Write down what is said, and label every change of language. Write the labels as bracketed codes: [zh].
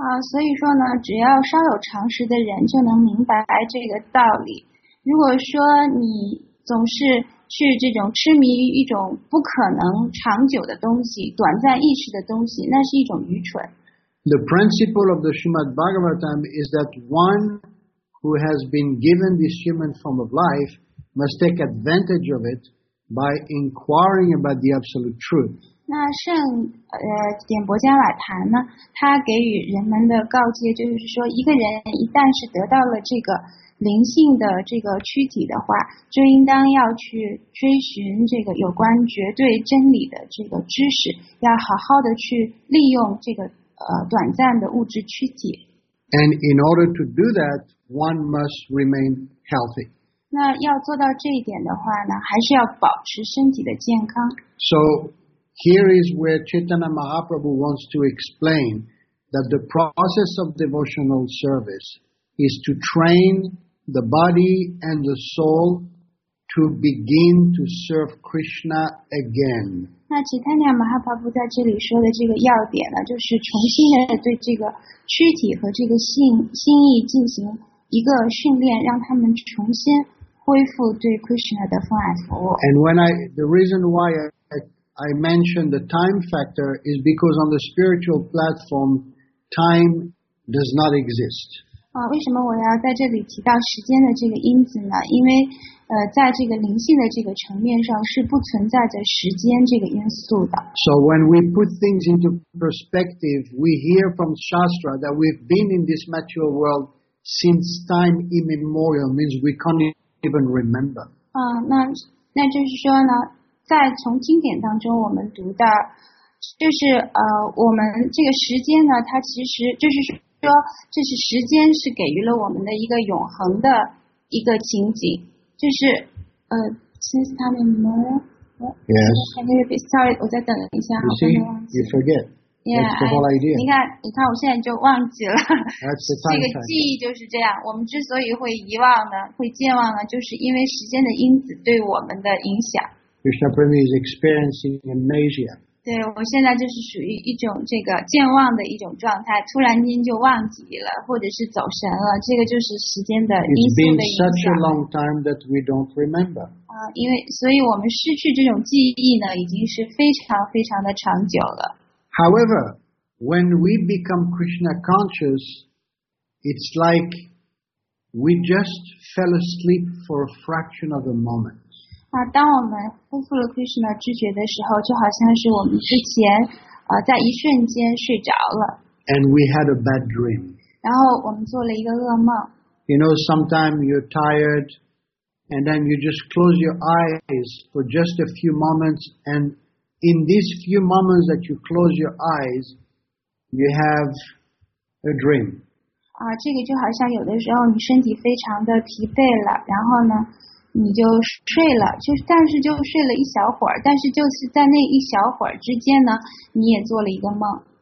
[zh] 所以说呢，只要稍有常识的人就能明白这个道理。如果说你总是去这种痴迷于一种不可能长久的东西、短暂一时的东西，那是一种愚蠢。 [en] The principle of the Srimad Bhagavatam is that one. Who has been given this human form of life must take advantage of it by inquiring about the absolute truth. [zh] 那圣点伯迦瓦坛呢？他给予人们的告诫就是说，一个人一旦是得到了这个灵性的这个躯体的话，就应当要去追寻这个有关绝对真理的这个知识，要好好的去利用这个短暂的物质躯体。 [en] And in order to do that, one must remain healthy. [zh] 那要做到这一点的话呢，还是要保持身体的健康。 [en] So here is where Chaitanya Mahaprabhu wants to explain that the process of devotional service is to train the body and the soul to begin to serve Krishna again. [zh] 那 Chaitanya Mahaprabhu 在这里说的这个要点呢，就是重新的对这个躯体和这个心意进行一个训练，让他们重新恢复对 Krishna 的奉爱服务。 [en] And when the reason why I mentioned the time factor is because on the spiritual platform, time does not exist. [zh] 为什么我要在这里提到时间的这个因子呢？因为在这个灵性的这个层面上是不存在着时间这个因素的。 [en] So when we put things into perspective, we hear from Shastra that we've been in this material world. Since time immemorial means we can't even remember. [zh] 那就是说呢，在从经典当中我们读到，就是我们这个时间呢，它其实就是说，这是时间是给予了我们的一个永恒的一个情景，就是 [en] since time immemorial. Yes. Sorry, [zh] 我再等一下。 [en] You see, you forget. Yeah, That's the whole idea. [zh] 你看我现在就忘记了。 [en] That's the time. [zh] 这个记忆就是这样。我们之所以会遗忘呢，会健忘呢，就是因为时间的因子对我们的影响。 [en] Krishna Premi is experiencing amnesia. [zh] 对，我现在就是属于一种这个健忘的一种状态，突然间就忘记了，或者是走神了。这个就是时间的因素的影响。 [en] It's been such a long time that we don't remember. [zh] 因为所以我们失去这种记忆呢，已经是非常非常的长久了。 [en] However, when we become Krishna conscious, it's like we just fell asleep for a fraction of a moment. [zh] 当我们恢复了 Krishna 知觉的时候，就好像是我们之前在一瞬间睡着了。 [en] And we had a bad dream. [zh] 然后我们做了一个噩梦。 [en] You know, sometimes you're tired, and then you just close your eyes for just a few moments, and in these few moments that you close your eyes, you have a dream. [zh] 这个就好像有的时候你身体非常的疲惫了，然后呢，你就睡了，就但是就睡了一小会儿，但是就是在那一小会儿之间呢，你也做了一个梦。